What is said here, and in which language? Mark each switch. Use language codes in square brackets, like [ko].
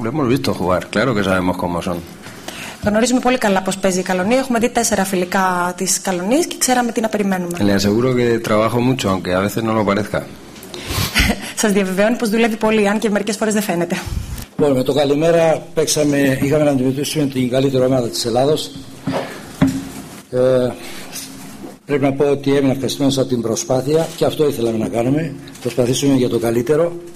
[es] Lo hemos visto jugar, claro que sabemos cómo son. [el] Γνωρίζουμε πολύ καλά πως παίζει η Καλονή. Έχουμε δει τέσσερα φιλικά της Καλονής και ξέραμε τι να περιμένουμε. [es] Le aseguro que trabajo mucho, aunque a veces no lo parezca. [el] Σας διαβεβαιώνει πως δουλεύει πολύ, αν και μερικές φορές δεν φαίνεται. Λοιπόν, με το καλημέρα παίξαμε, είχαμε να αντιμετωπίσουμε την καλύτερη ομάδα της Ελλάδος. Πρέπει να πω ότι έμεινα ευχαριστημένος από την προσπάθεια και αυτό ήθελαμε να κάνουμε. Προσπαθήσουμε για το καλύτερο.